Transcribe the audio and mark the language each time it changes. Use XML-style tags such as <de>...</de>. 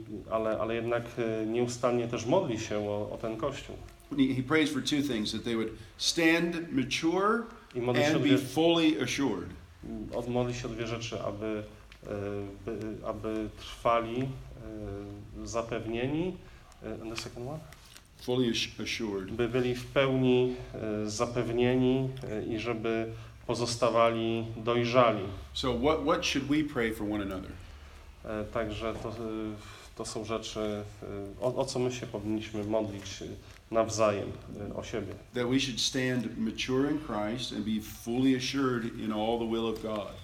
<pl>Ale jednak nieustannie też modli się o ten kościół.</pl> <en>He prays for two things, that they would stand mature and be fully assured.</en> <pl>Modli się o dwie rzeczy, aby aby trwali zapewnieni,</pl> <en>the second one? Fully assured.</en> <pl>By byli w pełni zapewnieni i żeby pozostawali dojrzali.</pl> <en>So what should we pray for one another?</en> <pl>Także to są rzeczy, o co my się powinniśmy modlić nawzajem o siebie.</pl> <en>That we should stand mature in Christ and be fully assured in all the will of God.</en>